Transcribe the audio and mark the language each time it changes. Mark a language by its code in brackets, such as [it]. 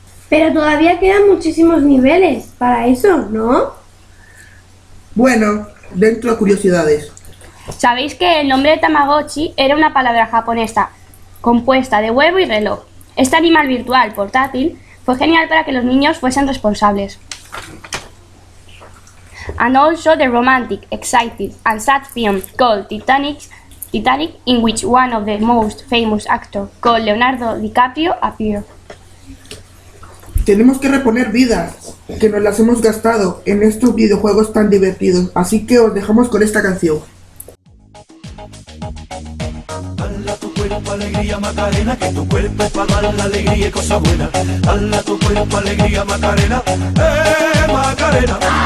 [es] Pero todavía quedan muchísimos niveles para eso, ¿no? Bueno, dentro de curiosidades. ¿Sabéis que el nombre de Tamagotchi era una palabra japonesa compuesta de huevo y reloj? Este animal virtual portátil fue genial para que los niños fuesen responsables. [en] And also the romantic, excited and sad film called Titanic, in which one of the most famous actors called Leonardo DiCaprio appeared. [es] Tenemos que reponer vidas que nos las hemos gastado en estos videojuegos tan divertidos. Así que os dejamos con esta canción. Hala tu cuerpo a alegría, Macarena, que tu cuerpo es para dar la alegría y cosa buena. Dale a tu cuerpo alegría, Macarena, Macarena.